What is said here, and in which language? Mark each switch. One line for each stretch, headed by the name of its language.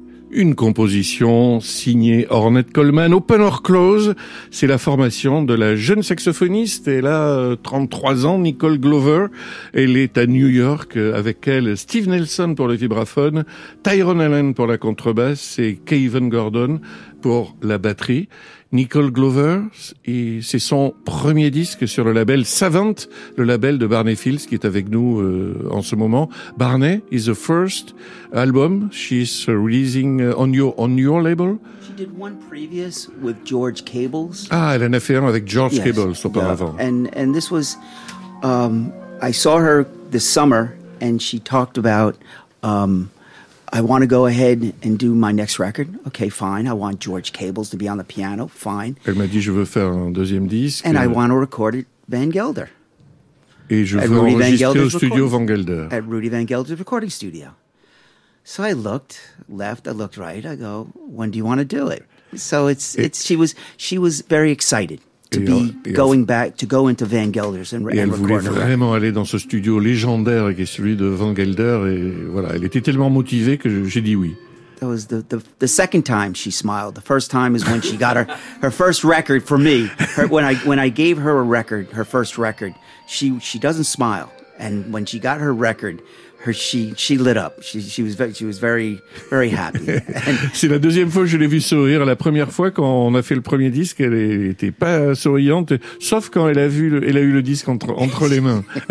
French: Une composition signée Ornette Coleman, Open or Close, c'est la formation de la jeune saxophoniste, elle a 33 ans, Nicole Glover, elle est à New York, avec elle Steve Nelson pour le vibraphone, Tyrone Allen pour la contrebasse et Kevin Gordon pour la batterie. Nicole Glover, et c'est son premier disque sur le label Savant, le label de Barney Fields qui est avec nous en ce moment.
English: Barney is the first album she's releasing on your label. She did one previous with George Cables.
French: Ah, elle en a fait un avec George
English: yes.
French: Cables auparavant.
English: Yeah. And this was, I saw her this summer and she talked about, I want to go ahead and do my next record. Okay, fine. I want George Cables to be on the piano. Fine.
French: Elle m'a dit, je veux faire un deuxième disque.
English: And I want to record it Van Gelder.
French: Et je veux enregistrer au studio Van Gelder.
English: At Rudy Van Gelder's recording studio. So I looked left, I looked right. I go, when do you want to do it? So she was very excited.
French: Et elle voulait vraiment aller dans ce studio légendaire qui est celui de Van Gelder et voilà, elle était tellement motivée que j'ai dit oui.
English: That was the second time she smiled. The first time is when she got her first record for me. When I gave her a record, her first record, she doesn't smile. And when she got her record, she lit up. She was very very happy.
French: C'est la deuxième fois que je l'ai vue sourire. La première fois quand on a fait le premier disque, elle était pas souriante, sauf quand elle a eu le disque entre les mains.